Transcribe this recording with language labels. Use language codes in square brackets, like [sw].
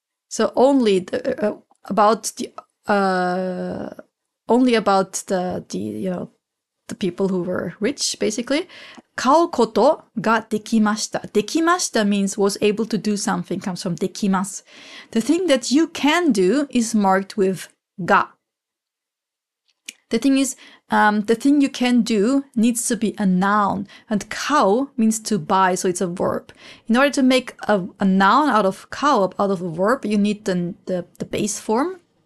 [en] So only the, about the only about the you know the people who were rich basically. [ja] 買うことができました。 [en] できました means was able to do something comes from できます。 The thing that you can do is marked with が。 The thing is, the thing you can do needs to be a noun. And 買う means to buy, so it's a verb. In order to make a noun out of 買う, out of a verb, you need the base form.